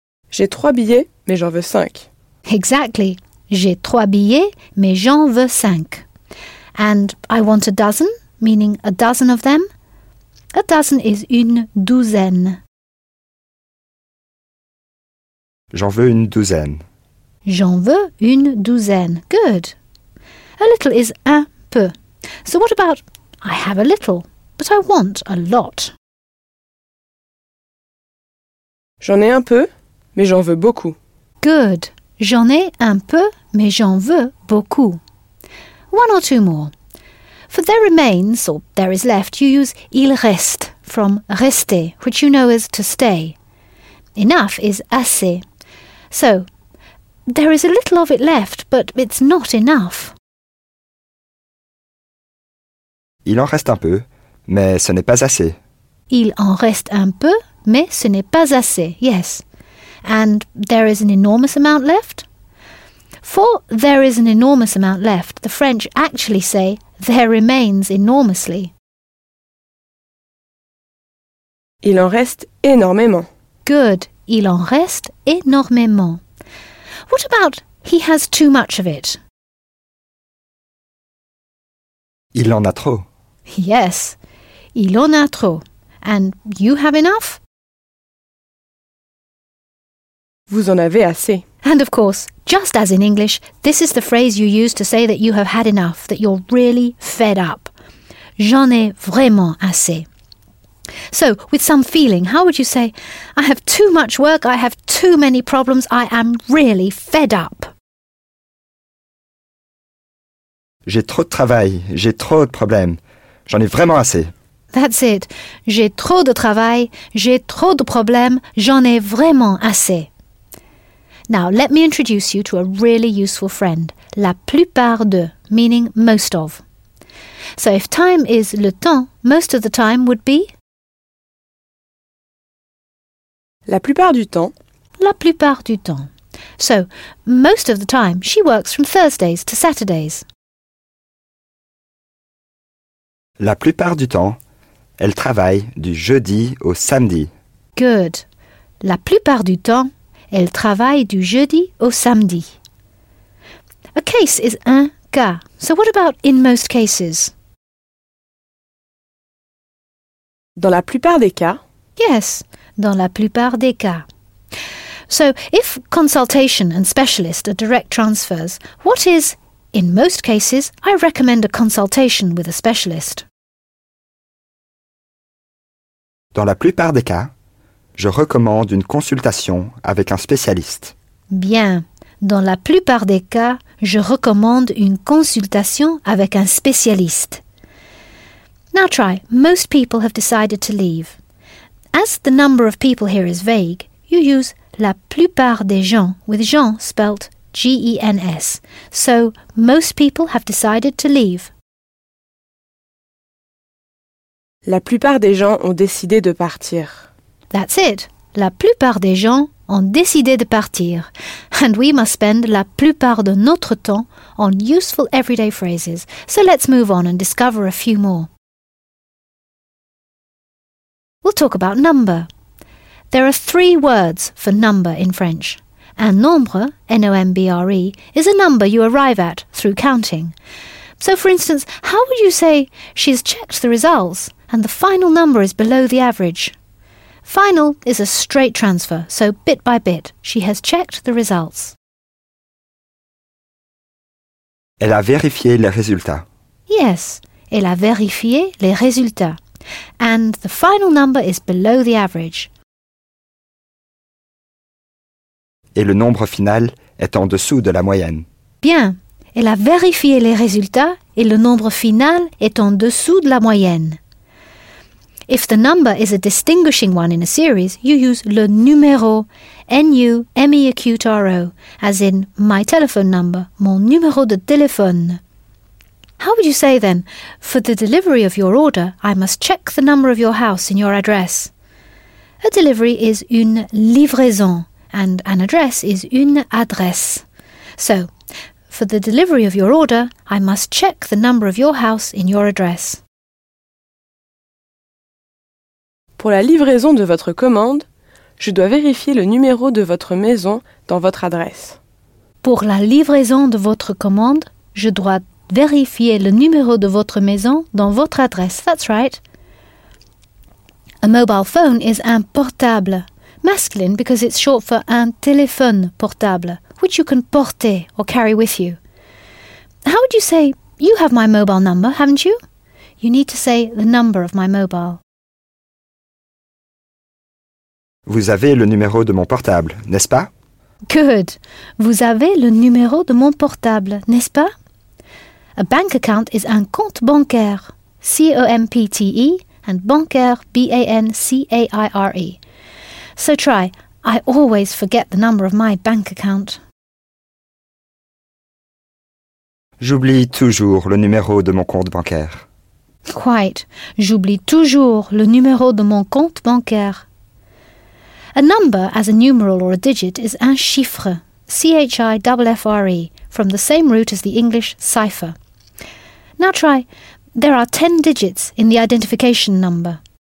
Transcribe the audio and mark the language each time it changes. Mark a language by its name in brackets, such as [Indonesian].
[French] J'ai trois billets, mais j'en veux cinq. [English] Exactly. [French] J'ai trois billets, mais j'en veux cinq. [English] And I want a dozen, meaning a dozen of them. A dozen is une douzaine. [French] J'en veux une douzaine. J'en veux une douzaine. [English] Good. A little is [French] un peu. [English] So what about I have a little, but I want a lot. [French] J'en ai un peu, mais j'en veux beaucoup. [English] Good. [French] J'en ai un peu, mais j'en veux beaucoup. [English] One or two more. For there remains, or there is left, you use il reste from rester, which you know is to stay. Enough is assez. So, there is a little of it left, but it's not enough. [French] Il en reste un peu, mais ce n'est pas assez. Il en reste un peu, mais ce n'est pas assez, yes. [English] And there is an enormous amount left? For there is an enormous amount left, the French actually say there remains enormously. [French] Il en reste énormément. Good. Il en reste énormément. [English] What about he has too much of it? [French] Il en a trop. [English] Yes, [French] il en a trop. [English] And you have enough? [French] Vous en avez assez. [English] And of course, just as in English, this is the phrase you use to say that you have had enough, that you're really fed up. [French] J'en ai vraiment assez. [English] So, with some feeling, how would you say, I have too much work, I have too many problems, I am really fed up. [French] J'ai trop de travail, j'ai trop de problèmes, j'en ai vraiment assez. [English] That's it. [French] J'ai trop de travail, j'ai trop de problèmes, j'en ai vraiment assez. [English] Now, let me introduce you to a really useful friend, la plupart de, meaning most of. So, if time is le temps, most of the time would be... [French] La plupart du temps. La plupart du temps. [English] So, most of the time, she works from Thursdays to Saturdays. [French] La plupart du temps, elle travaille du jeudi au samedi. [English] Good. [French] La plupart du temps, elle travaille du jeudi au samedi. [English] A case is un cas. So what about in most cases? [French] Dans la plupart des cas. Yes. Dans la plupart des cas. [English] So, if consultation and specialist are direct transfers, what is, in most cases, I recommend a consultation with a specialist? [French] Dans la plupart des cas, je recommande une consultation avec un spécialiste. Bien. Dans la plupart des cas, je recommande une consultation avec un spécialiste. [English] Now try. Most people have decided to leave. As the number of people here is vague, you use la plupart des gens, with gens spelt G-E-N-S. So, most people have decided to leave. [French] La plupart des gens ont décidé de partir. [English] That's it. [French] La plupart des gens ont décidé de partir. [English] And we must spend [French] la plupart de notre temps [English] on useful everyday phrases. So let's move on and discover a few more. We'll talk about number. There are three words for number in French. Un nombre, N-O-M-B-R-E, is a number you arrive at through counting. So, for instance, how would you say she's checked the results and the final number is below the average? Final is a straight transfer, so bit by bit, she has checked the results. [French] Elle a vérifié les résultats. Yes, elle a vérifié les résultats. [English] And the final number is below the average. [French] Et le nombre final est en dessous de la moyenne. Bien, elle a vérifié les résultats et le nombre final est en dessous de la moyenne. [English] If the number is a distinguishing one in a series, you use le numéro, N-U-M-E-A-Q-T-R-O, as in my telephone number, [French] mon numéro de téléphone. [English] How would you say then, for the delivery of your order, I must check the number of your house in your address? A delivery is une livraison, and an address is une adresse. So, for the delivery of your order, I must check the number of your house in your address. [French] Pour la livraison de votre commande, je dois vérifier le numéro de votre maison dans votre adresse. Pour la livraison de votre commande, je dois vérifier le numéro de votre maison dans votre adresse. [English] That's right. A mobile phone is un portable. Masculine because it's short for un téléphone portable, which you can porter or carry with you. How would you say, you have my mobile number, haven't you? You need to say the number of my mobile. [French] Vous avez le numéro de mon portable, n'est-ce pas? [English] Good. [French] Vous avez le numéro de mon portable, n'est-ce pas? [English] A bank account is un compte bancaire, C-O-M-P-T-E, and bancaire, B-A-N-C-A-I-R-E. So try, I always forget the number of my bank account. [French] J'oublie toujours le numéro de mon compte bancaire. [English] Quite. [French] J'oublie toujours le numéro de mon compte bancaire. [English] A number, as a numeral or a digit, is un chiffre, C-H-I-F-F-R-E, from the same root as the English cipher. Now try, there are 10 digits in the identification number.